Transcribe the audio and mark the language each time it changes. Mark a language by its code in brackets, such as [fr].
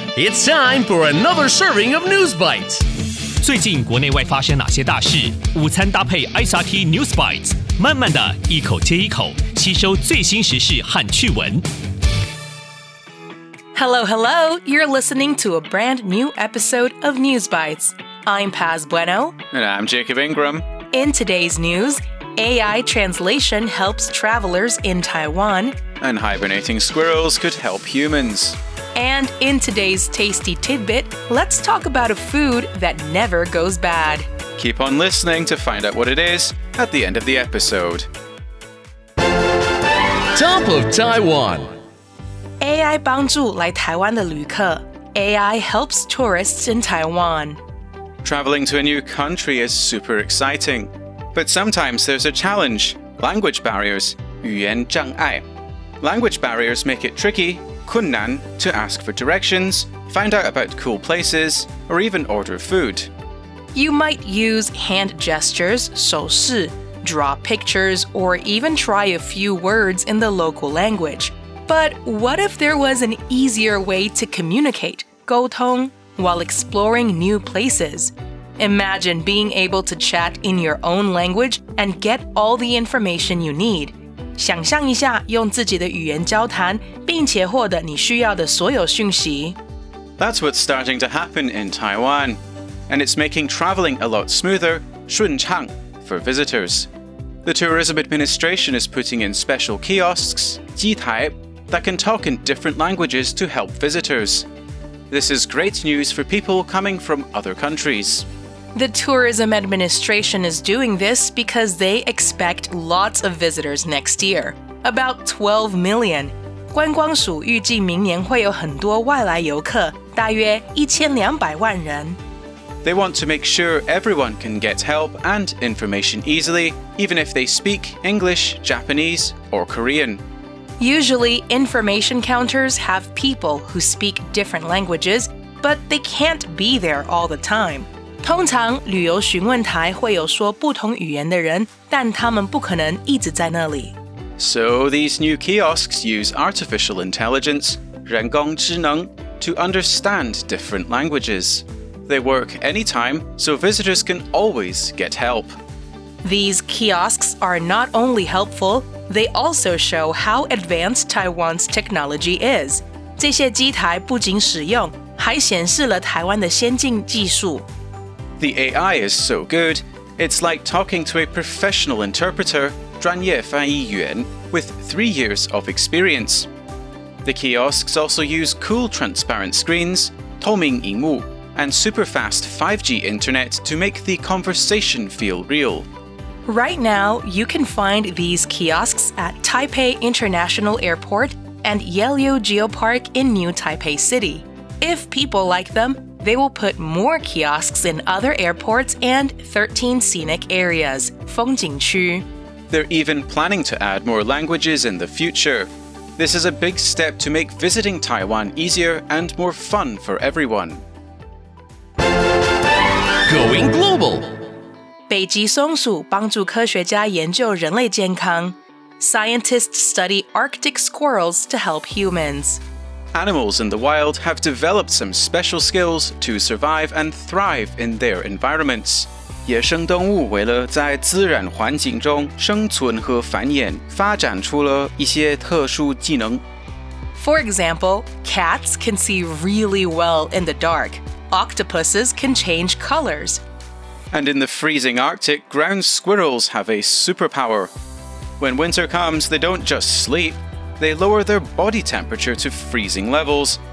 [en] It's time for another serving of News Bites. [zh] 最近国内外发生哪些大事？午餐搭配 SRT News Bites， 慢慢的一口接一口，吸收最新时事和趣闻。 [en] Hello, hello! You're listening to a brand new episode of News Bites. I'm Paz Bueno. And I'm Jacob Ingram. In today's news, AI translation helps travelers in Taiwan. And hibernating squirrels could help humans. And in today's Tasty Tidbit, let's talk about a food that never goes bad. Keep on listening to find out what it is at the end of the episode. Top of Taiwan! [zh] AI幫助來台灣的遊客。 [en] AI helps tourists in Taiwan. Traveling to a new country is super exciting. But sometimes there's a challenge, language barriers, [zh] 語言障礙. [en] Language barriers make it tricky, [zh] 困難, [en] to ask for directions, find out about cool places, or even order food. You might use hand gestures, [zh] 手勢, [en] draw pictures, or even try a few words in the local language. But what if there was an easier way to communicate, [zh] 沟通, [en] while exploring new places? Imagine being able to chat in your own language and get all the information you need. [zh] 想像一下用自己的语言交谈并且获得你需要的所有讯息。 [en] That's what's starting to happen in Taiwan. And it's making traveling a lot smoother, [zh] 顺畅, [en] for visitors. The Tourism Administration is putting in special kiosks, [zh] 机台, [en] that can talk in different languages to help visitors. This is great news for people coming from other countries. The Tourism Administration is doing this because they expect lots of visitors next year, about 12 million. [zh] 观光署预计明年会有很多外来游客，大约1200万人。 [en] They want to make sure everyone can get help and information easily, even if they speak English, Japanese, or Korean. Usually, information counters have people who speak different languages, but they can't be there all the time. [zh] 通常旅游询问台会有说不同语言的人，但他们不可能一直在那里。 [en] So these new kiosks use artificial intelligence, [zh] 人工智能, [en] to understand different languages. They work anytime, so visitors can always get help. These kiosks are not only helpful,They also show how advanced Taiwan's technology is. [zh] 这些机台不仅实用，还显示了台湾的先进技术。 [en] The AI is so good, it's like talking to a professional interpreter, [zh] 专业翻译员, [en] with 3 years of experience. The kiosks also use cool transparent screens, [zh] 透明螢幕, [en] and super-fast 5G internet to make the conversation feel real. Right now, you can find these kiosks at Taipei International Airport and Yehliu Geopark in New Taipei City. If people like them, they will put more kiosks in other airports and 13 scenic areas, [zh] 风景区. [en] They're even planning to add more languages in the future. This is a big step to make visiting Taiwan easier and more fun for everyone. Going Global! [zh] 北极松鼠帮助科学家研究人类健康。 [en] Scientists study Arctic squirrels to help humans. Animals in the wild have developed some special skills to survive and thrive in their environments. [zh] 野生动物为了在自然环境中生存和繁衍，发展出了一些特殊技能。 [en] For example, cats can see really well in the dark. Octopuses can change colors. And in the freezing Arctic, ground squirrels have a superpower. When winter comes, they don't just sleep. They lower their body temperature to freezing levels,